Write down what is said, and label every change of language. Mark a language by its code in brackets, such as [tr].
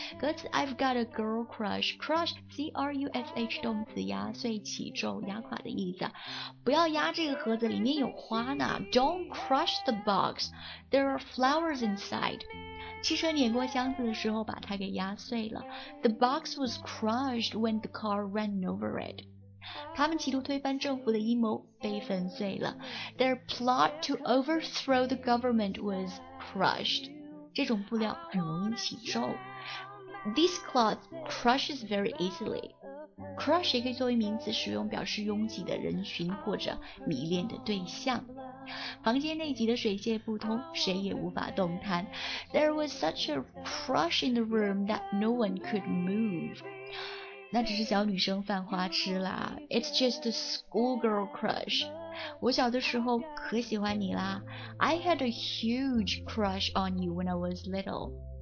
[zh] 歌词 [en] I've got a girl crush， crush C-R-U-S-H [zh] 动词，压碎起皱压垮的意思。不要压这个盒子，里面有花呢。 [en] Don't crush the box， There are flowers inside。 [zh] 汽车碾过箱子的时候把它给压碎了。 [en] The box was crushed when the car ran over it。 [zh] 他们企图推翻政府的阴谋被粉碎了。 [en] Their plot to overthrow the government was crushed， [zh] 这种布料很容易起皱。 [en] This cloth crushes very easily。 [zh] Crush 也可以作为名词使用，表示拥挤的人群或者迷恋的对象。房间内挤得水泄不通，谁也无法动弹。 [en] There was such a crush in the room that no one could move. [zh] 那只是小女生犯花痴啦。 [en] It's just a schoolgirl crush. [zh] 我小的时候可喜欢你啦。 [en] I had a huge crush on you when I was little.